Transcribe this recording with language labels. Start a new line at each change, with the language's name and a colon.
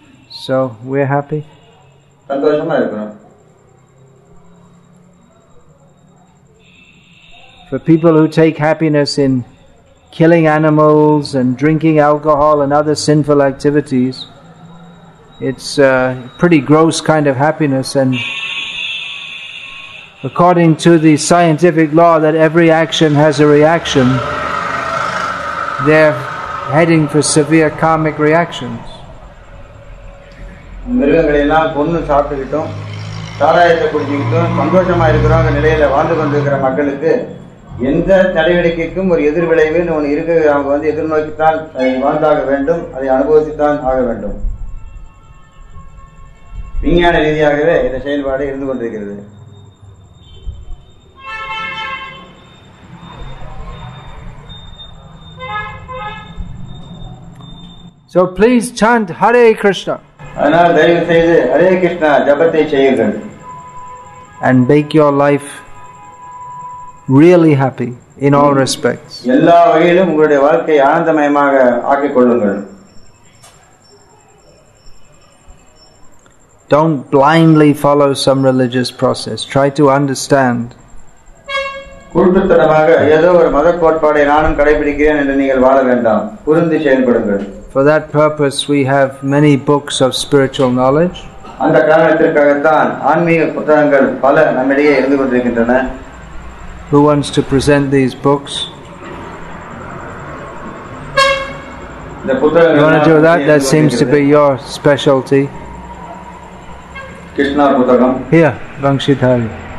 English: So we're happy. For people who take happiness in killing animals and drinking alcohol and other sinful activities, it's a pretty gross kind of happiness. And according to the scientific law that every action has a reaction, they're heading for severe karmic reactions.
Tamil: எந்த தலைவடிக்கைக்கும் ஒரு எதிர்விளைவுன்னு ஒன்று இருக்கு, அவங்க வந்து எதிர்நோக்கித்தான் அதை வாழ்ந்தாக வேண்டும், அதை அனுபவித்துத்தான் ஆக வேண்டும். விஞ்ஞான ரீதியாகவே இந்த செயல்பாடு இருந்து கொண்டிருக்கிறது.
English: So please chant Hare Krishna.
Tamil: அதனால் தயவு செய்து ஹரே கிருஷ்ணா ஜபத்தை செய்யுங்கள்.
English: And make your life really happy in all respects.
Tamil: எல்லா வகையிலும் உங்களுடைய வாழ்க்கை ஆனந்தமயமாக ஆக்கிக் கொள்ளுங்கள்.
English: Don't blindly follow some religious process. Try to understand.
Tamil: குருட்டுத்தனமாக ஏதோ ஒரு மத கோட்பாடை நானும் கடைபிடிக்கிறேன் என்று நீங்கள் வாழ வேண்டாம், புரிந்து செயல்படுங்கள்.
English: For that purpose we have many books of spiritual knowledge.
Tamil: அந்த காரணத்திற்காகத்தான் ஆன்மீக புத்தகங்கள் பல நம்மிடையே இருந்து கொண்டிருக்கின்றன.
English: Who wants to present these books? You want to do that? That seems to be your specialty.
Tamil: Krishna Putagam.
English: Here, Vangshidhari.